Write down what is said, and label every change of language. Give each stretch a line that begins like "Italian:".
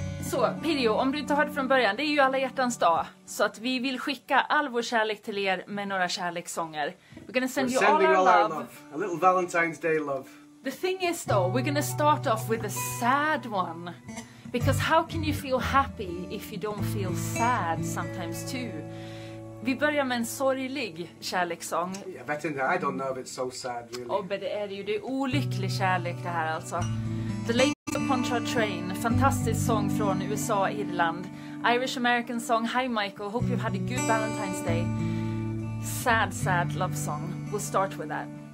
Swedish: Så, Pirjo, om du inte hörde från början, det är ju Alla hjärtans dag. Så att vi vill skicka all vår kärlek till er med några kärlekssånger.
English: We're gonna send we're sending you all our love. A little Valentine's Day love. The thing is, though, we're gonna start off with a sad one. Because how can you feel happy if you don't feel sad sometimes too?
Swedish: Vi börjar med en sorglig kärlekssång. Jag vet inte,
English: I don't know if it's so sad really.
Swedish: Åh, men det är ju, det är olycklig kärlek det här alltså. The Lakes of Pontchartrain, fantastisk sång från USA, Irland.
English: Irish American song, hi Michael, hope you've had a good Valentine's Day. Sad, sad love song, we'll start with that.